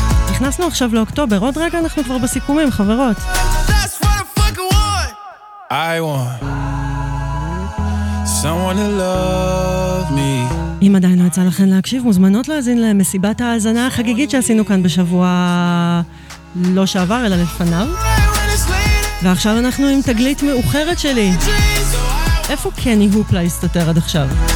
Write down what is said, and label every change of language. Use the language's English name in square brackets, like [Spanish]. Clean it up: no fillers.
[Hebrew] נכנסנו עכשיו לאוקטובר, עוד רגע אנחנו כבר בסיכומים, חברות. [English] That's what the fuck I want. I want someone to love me. [Hebrew] אם עדיין לא יצא לכן להקשיב, מוזמנות להזין למסיבת ההזנה החגיגית שעשינו כאן בשבוע לא שעבר, אלא לפניו. ועכשיו אנחנו עם תגלית מאוחרת שלי. איפה קני הופלה הסתתר עד עכשיו?